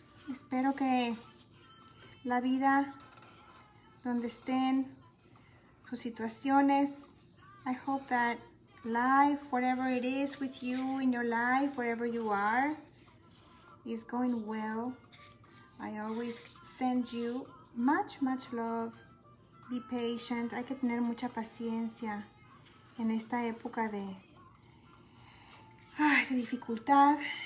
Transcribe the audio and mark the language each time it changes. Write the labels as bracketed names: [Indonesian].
[Spanish] Espero que la vida, donde estén, sus situaciones. [English] I hope that life, whatever it is with you in your life, wherever you are, is going well. I always send you much, much love. Be patient, [Spanish] hay que tener mucha paciencia en esta época de dificultad.